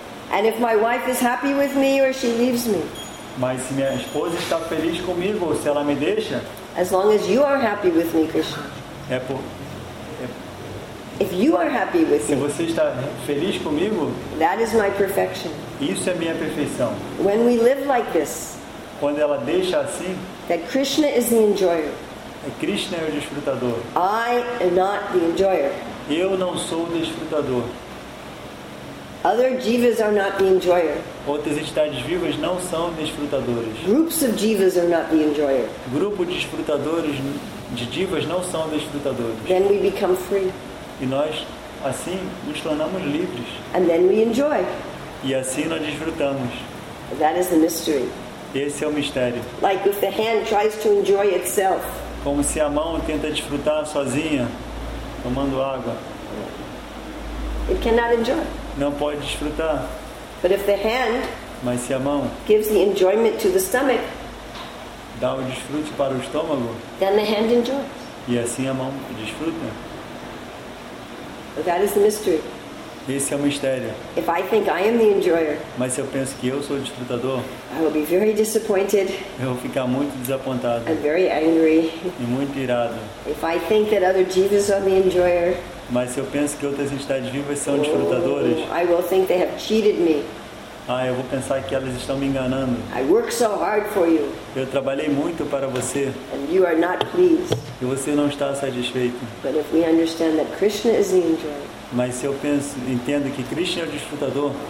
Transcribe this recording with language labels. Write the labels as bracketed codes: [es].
[en] And if my wife is happy with me or she leaves me. [pt] Mas se minha esposa está feliz comigo ou se ela me deixa. [en] As long as you are happy with me, Krishna. [pt] É por... [en] If you are happy with [pt] me, se você está feliz comigo, [en] that is my perfection. [pt] Isso é minha perfeição. [en] When we live like this, [pt] quando ela deixa assim, [en] that Krishna is the enjoyer. [pt] Krishna é o desfrutador. [en] I am not the enjoyer. [pt] Eu não sou o desfrutador. [en] Other jivas are not the enjoyer. [pt] Outras entidades vivas não são desfrutadores. [en] Groups of jivas are not the enjoyer. [pt] Grupo de desfrutadores de jivas não são desfrutadores. [en] Then we become free. [pt] E nós assim nos tornamos livres. [en] And then we enjoy. [pt] E assim nós desfrutamos. [en] That is the mystery. [pt] Esse é o mistério. [en] Like if the hand tries to enjoy itself. [pt] Como se a mão tenta desfrutar sozinha, tomando água. [en] It cannot enjoy. [pt] Não pode desfrutar. [en] But if the hand, [pt] mas se a mão [en] gives the enjoyment to the stomach, [pt] dá o desfrute para o estômago, [en] then the hand enjoys. [pt] E assim a mão desfruta. [en] But that is the mystery. [pt] Esse é o mistério. [en] If I think I am the enjoyer, [pt] mas se eu penso que eu sou o desfrutador, [en] I will be very disappointed. [pt] Eu vou ficar muito desapontado. [en] And very angry. [pt] E muito irado. [en] If I think that other jivas are the enjoyer, [pt] mas se eu penso que outras entidades vivas são desfrutadoras, [en] I will think they have cheated me. [pt] Ah, eu vou pensar que elas estão me enganando. [en] I work so hard for you. [pt] Eu trabalhei muito para você. [en] And you are not pleased. [pt] E você não está satisfeito. [en] But if we understand that Krishna is the enjoyer, [pt] mas se eu penso, entendo que Krishna é o desfrutador,